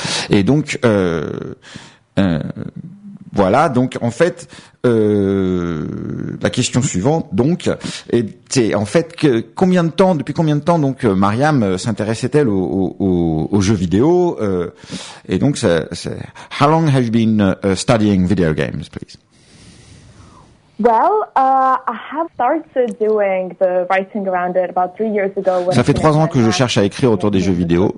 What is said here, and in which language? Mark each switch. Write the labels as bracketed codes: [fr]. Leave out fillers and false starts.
[fr] Et donc, voilà, donc en fait, la question suivante, donc, c'est en fait, depuis combien de temps, donc, Mariam s'intéressait-elle aux jeux vidéo et donc, c'est « [en] How long have you been studying video games, please ?» Well, I have started doing the writing around it about 3 years ago. [fr] Ça fait 3 ans que je cherche à écrire autour des jeux vidéo.